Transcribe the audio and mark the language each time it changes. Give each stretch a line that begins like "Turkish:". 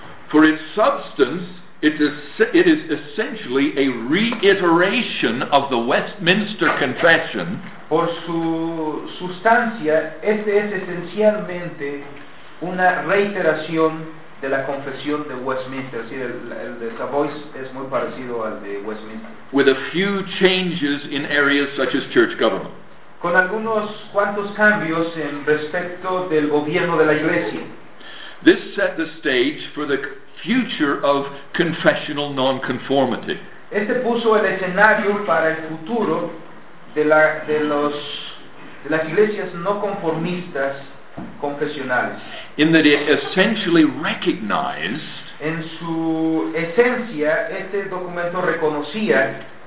English: For its substance, it is essentially a reiteration of the Westminster Confession.
Spanish: Por su sustancia, este es esencialmente una reiteración de la confesión de Westminster. Sí, el de Savoy es muy parecido al de Westminster.
English: With a few changes in areas such as church government.
Spanish: Con algunos cuantos cambios en respecto del gobierno de la Iglesia.
English: This set the stage for the future of confessional nonconformity.
Spanish: Este puso el escenario para el futuro de las iglesias no conformistas confesionales.
English: In that it essentially recognized,
Spanish: en su esencia, este documento reconocía